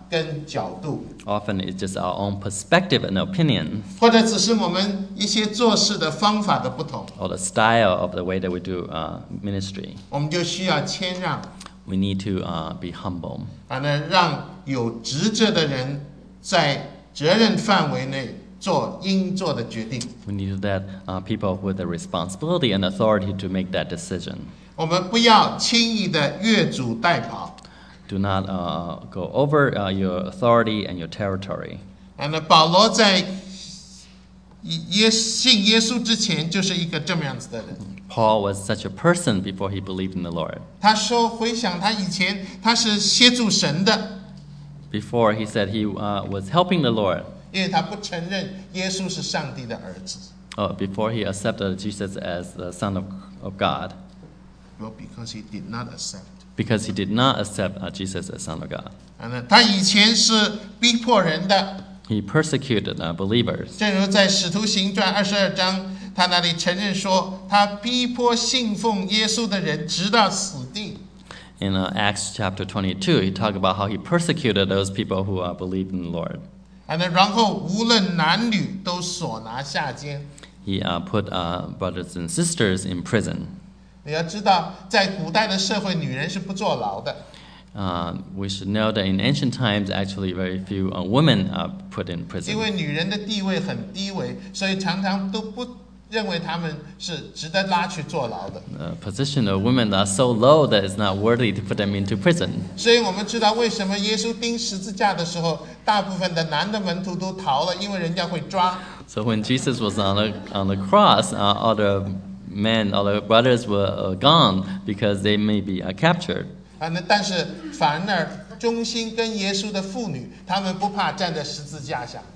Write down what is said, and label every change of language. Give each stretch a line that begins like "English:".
Chinese: 跟角度
English: Often it's just our own perspective and opinion.
Chinese: 或者只是我们一些做事的方法的不同
English: Or the style of the way that we do ministry.
Chinese: 我们就需要谦让
English: We need to be humble.
Chinese: 反正让有职责的人在责任范围内做应做的决定
English: We need to let people with the responsibility and authority to make that decision.
Chinese: 我们不要轻易的越俎代庖
English: Do not go over your authority and your territory. And Paul,
Chinese: 在信耶稣之前就是一个这么样子的人。
English: Paul was such a person before he believed in the Lord.
Chinese: 他说回想他以前他是协助神的。
English: Before he said he was helping the Lord.
Chinese: 因为他不承认耶稣是上帝的儿子。
English: Oh, before he accepted Jesus as the Son of God. Well, because he did not accept. Because he did not accept Jesus as Son of God.
Chinese: And 他以前是逼迫人的。
English: He persecuted believers.
Chinese: 正如在《使徒行传》二十二章，他那里承认说，他逼迫信奉耶稣的人直到死地。
English: In Acts chapter 22, he talked about how he persecuted those people who believed in the Lord.
Chinese: And 然后无论男女都锁拿下监。
English: He put brothers and sisters in prison.
Chinese: 你要知道，在古代的社会，女人是不坐牢的。
English: We should know that in ancient times, actually, very few women are put in prison.
Chinese: 因为女人的地位很低微，所以常常都不认为他们是值得拉去坐牢的。
English: The position of women are so low that it's not worthy to put them into prison.
Chinese: 所以我们知道为什么耶稣钉十字架的时候，大部分的男的门徒都逃了，因为人家会抓。
English: So when Jesus was on the cross, all the men, all the brothers were gone because they may be captured.
Chinese: 但是反而忠心跟耶稣的妇女，他们不怕站在十字架下。